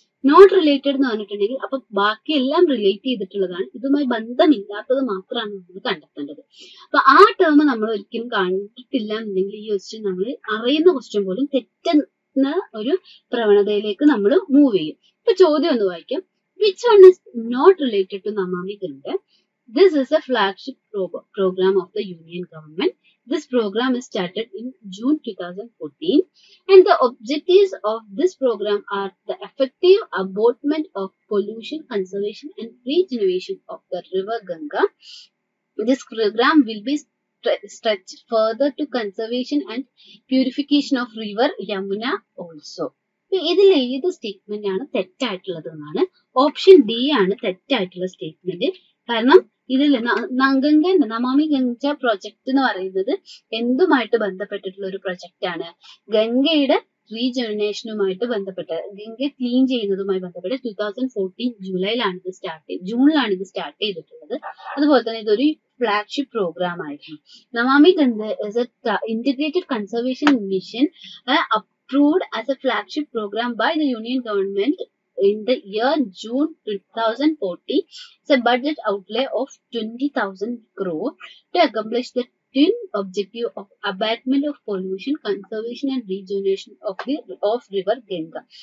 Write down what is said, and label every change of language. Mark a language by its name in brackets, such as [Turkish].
[Malayalam] Not related എന്ന് പറഞ്ഞിട്ടുണ്ടെങ്കിൽ അപ്പൊ ബാക്കിയെല്ലാം റിലേറ്റ് ചെയ്തിട്ടുള്ളതാണ്, ഇതുമായി ബന്ധമില്ലാത്തത് മാത്രമാണ് നമ്മൾ കണ്ടെത്തേണ്ടത്. അപ്പൊ ആ ടേം നമ്മൾ ഒരിക്കലും കണ്ടിട്ടില്ല എന്നുണ്ടെങ്കിൽ ഈ ക്വസ്റ്റ്യൻ നമ്മൾ അറിയുന്ന ക്വസ്റ്റ്യൻ പോലും തെറ്റുന്ന ഒരു പ്രവണതയിലേക്ക് നമ്മൾ മൂവ് ചെയ്യും. ഇപ്പൊ ചോദ്യം ഒന്ന് വായിക്കാം. [English] Which one is not related to Namami Gange? This is a flagship program of the Union Government. This program is started in June 2014 and the objectives of this program are the effective abatement of pollution, conservation and regeneration of the river Ganga. This program will be stretched further to conservation and purification of river Yamuna also. [Malayalam] ഇതിൽ ഏത് statement ആണ് തെറ്റായിട്ടുള്ളത് എന്നാണ്, option D ആണ് തെറ്റായിട്ടുള്ള statement. കാരണം ഇതിൽ Ganga Namami Ganga project എന്ന് പറയുന്നത് എന്തുമായിട്ട് ബന്ധപ്പെട്ടിട്ടുള്ള ഒരു പ്രൊജക്ട് ആണ്, ഗംഗയുടെ റീജനേഷനുമായിട്ട് ബന്ധപ്പെട്ട്, ഗംഗ ക്ലീൻ ചെയ്യുന്നതുമായി ബന്ധപ്പെട്ട്. 2014 ജൂലൈയിലാണ് ഇത് സ്റ്റാർട്ട് ചെയ്ത് ജൂണിലാണ് ഇത് സ്റ്റാർട്ട് ചെയ്തിട്ടുള്ളത്. അതുപോലെ തന്നെ ഇതൊരു ഫ്ലാഗ്ഷിപ്പ് പ്രോഗ്രാം ആയിരുന്നു. [English] Namami Ganga is a integrated conservation mission approved as a flagship program by the Union Government in the year June 2014. It's a budget outlay of 20,000 crore to accomplish the twin objective of abatement of pollution, conservation and regeneration of the river Ganga.